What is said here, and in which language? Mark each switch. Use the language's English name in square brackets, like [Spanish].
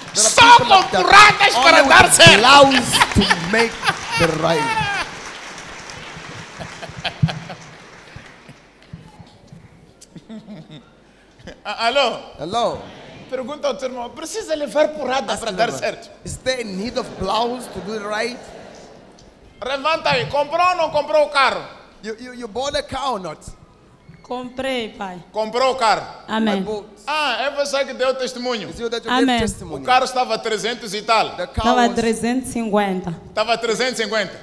[Portuguese] Só com porradas para dar certo. [English] Make the right. [Portuguese] Alô? Alô? Pergunta ao teu irmão, precisa levar porrada para dar certo? [English] Is there a need of blows to do it right? [Portuguese] Levanta aí, comprou ou não comprou o carro? [English] You bought a car or not? [Portuguese] Comprei, pai. Comprou o carro? Amém. Ah, é você que deu testemunho? Amém. O carro estava 300 e tal? Estava 350. Estava 350?